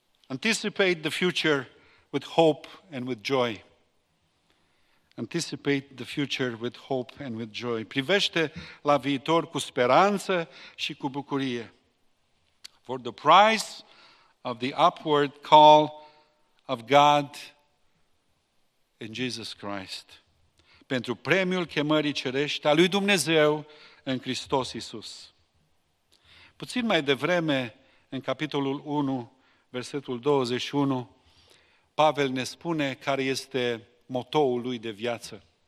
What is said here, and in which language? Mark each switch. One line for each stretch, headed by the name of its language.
English: Anticipate the future with hope and with joy. Anticipate the future with hope and with joy.
Romanian: Privește la viitor cu speranță și cu bucurie.
English: For the price of the upward call of God in Jesus Christ.
Romanian: Pentru premiul chemării cerești a lui Dumnezeu în Hristos Iisus. Puțin mai devreme, în capitolul 1, versetul 21, Pavel ne spune care este motoul lui de viață.